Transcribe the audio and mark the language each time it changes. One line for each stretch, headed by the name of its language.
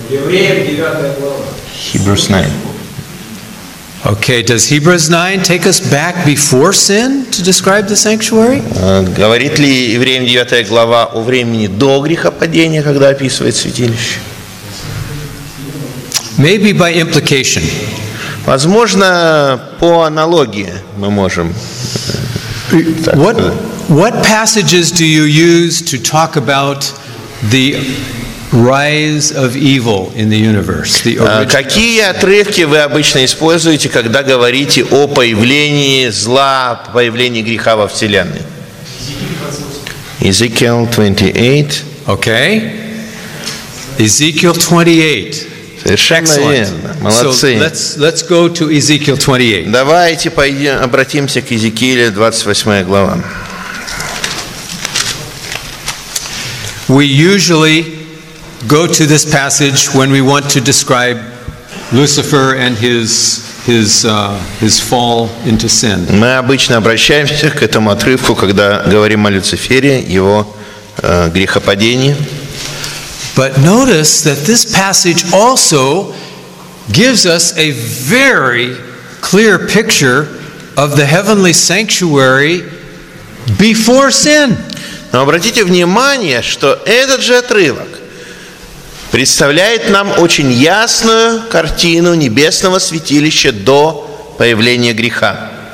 Russian: Евреям 9 глава.
English: Hebrews 9. Okay, does Hebrews 9 take us back before sin to describe the sanctuary?
Russian: Говорит ли Евреям 9 глава о времени до грехопадения, когда описывает святилище?
English: Maybe by implication.
Russian: Возможно, по аналогии мы можем.
English: What passages do you use to talk about the rise of evil in the universe? The original.
Russian: Какие отрывки вы обычно используете, когда говорите о появлении зла, появлении греха во Вселенной?
English: Ezekiel 28. Okay. Ezekiel 28. Excellent.
Russian: Молодцы.
English: So let's go to Ezekiel 28.
Russian: Давайте пойдем, обратимся к Иезекииле, 28 глава.
English: We usually go to this passage when we want to describe Lucifer and his fall into sin.
Russian: Мы обычно обращаемся к этому отрывку, когда говорим о Люцифере, его грехопадении.
English: But notice that this passage also gives us a very clear picture of the heavenly sanctuary before sin.
Russian: Но обратите внимание, что этот же отрывок представляет нам очень ясную картину небесного святилища до появления греха.